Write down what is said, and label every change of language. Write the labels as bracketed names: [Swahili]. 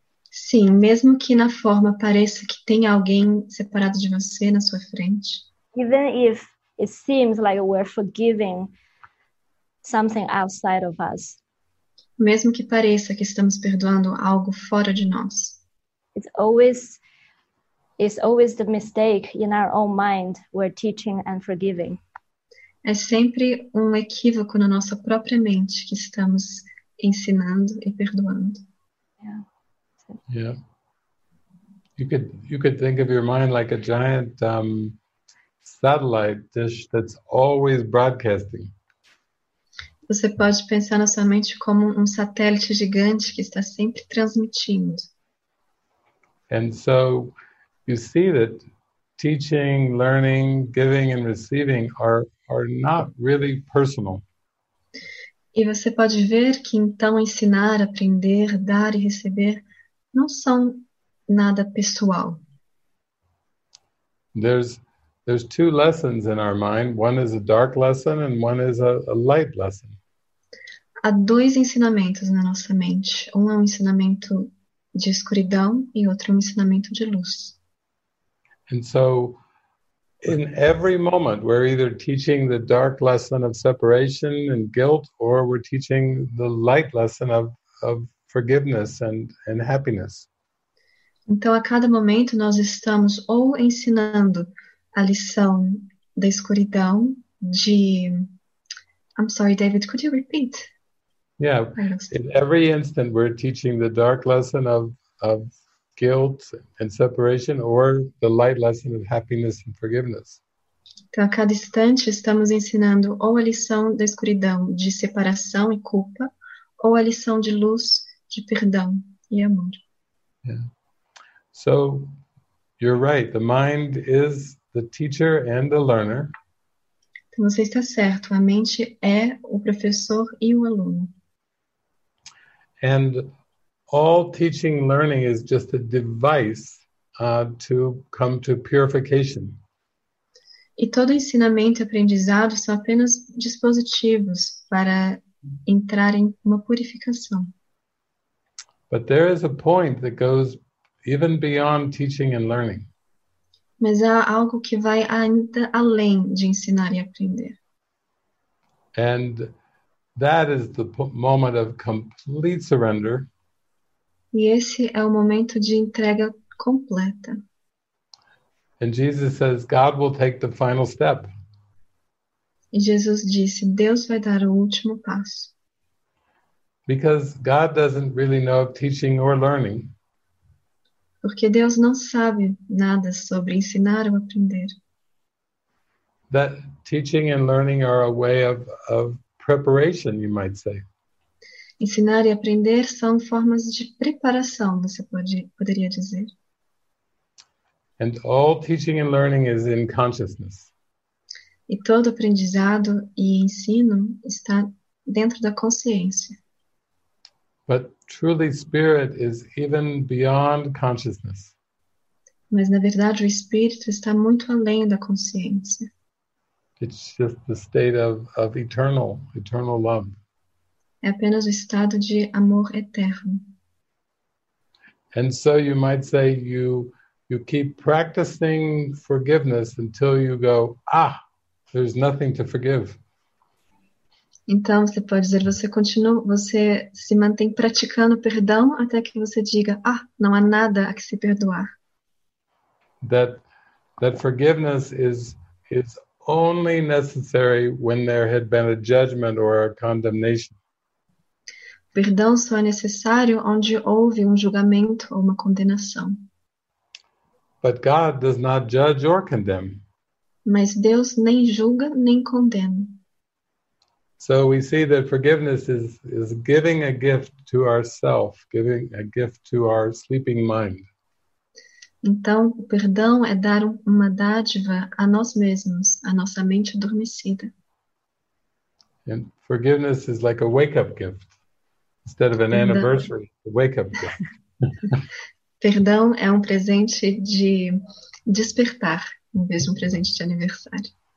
[Portuguese] Sim, mesmo que na forma pareça que tem alguém separado de você na sua frente. [English] Even if it seems like we're forgiving something outside of us. [Portuguese] mesmo que pareça que estamos perdoando algo fora de nós. [English] It's always the mistake in our own mind we're teaching and forgiving. [Portuguese] É sempre um equívoco na nossa própria mente que estamos ensinando e perdoando. [English] Yeah. Yeah. You could think of your mind like a giant satellite dish that's always broadcasting. [Portuguese] Você pode pensar na sua mente como um satélite gigante que está sempre transmitindo. [English] And so you see that teaching, learning, giving and receiving are not really personal. [Portuguese] E você pode ver que então ensinar, aprender, dar e receber não são nada pessoal. [English] There's two lessons in our mind. One is a dark lesson and one is a light lesson. [Portuguese] Há dois ensinamentos na nossa mente. Um é um ensinamento de escuridão e outro é um ensinamento de luz. [English] And so in every moment we're either teaching the dark lesson of separation and guilt or we're teaching the light lesson of forgiveness and happiness. [Portuguese] Então a cada momento nós estamos ou ensinando a lição da escuridão de [English] I'm sorry David, could you repeat? Yeah, in every instant we're teaching the dark lesson of guilt and separation or the light lesson of happiness and forgiveness. [Portuguese] Então, a cada instante estamos ensinando ou a lição da escuridão de separação e culpa ou a lição de luz de perdão e amor. [English] Yeah. So, you're right. The mind is the teacher and the learner. [Portuguese] Então, você está certo. A mente é o professor e o aluno. [English] And all teaching learning is just a device to come to purification. [Portuguese] E todo ensinamento e aprendizado são apenas dispositivos para entrar em uma purificação. [English] But there is a point that goes even beyond teaching and learning. [Portuguese] Mas há algo que vai ainda além de ensinar e aprender. [English] And that is the moment of complete surrender. [Portuguese] E esse é o momento de entrega completa. [English] And Jesus says, God will take the final step. [Portuguese] E Jesus disse, Deus vai dar o último passo. [English] Because God doesn't really know of teaching or learning. [Portuguese] Porque Deus não sabe nada sobre ensinar ou aprender. [English] That teaching and learning are a way of preparation, you might say. [Portuguese] Ensinar e aprender são formas de preparação, você poderia dizer. [English] And all teaching and learning is in consciousness. [Portuguese] E todo aprendizado e ensino está dentro da consciência. [English] But truly spirit is even beyond consciousness. [Portuguese] Mas na verdade o espírito está muito além da consciência. [English] It's just the state of eternal love. [Portuguese] É apenas o estado de amor eterno. [English] And so you might say you keep practicing forgiveness until you go, ah, there's nothing to forgive. [Portuguese] Então você pode dizer, você se mantém praticando perdão até que você diga, ah, não há nada a que se perdoar. [English] That forgiveness is only necessary when there had been a judgment or a condemnation. [Portuguese] Perdão só é necessário onde houve um julgamento ou uma condenação. [English] But God does not judge or condemn. [Portuguese] Mas Deus nem julga nem condena. [English] So we see that forgiveness is giving a gift to ourself, giving a gift to our sleeping mind. [Portuguese] Então, o perdão é dar uma dádiva a nós mesmos, à nossa mente adormecida. [English] And forgiveness is like a wake-up gift, instead of an anniversary, a wake-up gift. [Portuguese] Perdão é um presente de despertar, em vez de um presente de aniversário.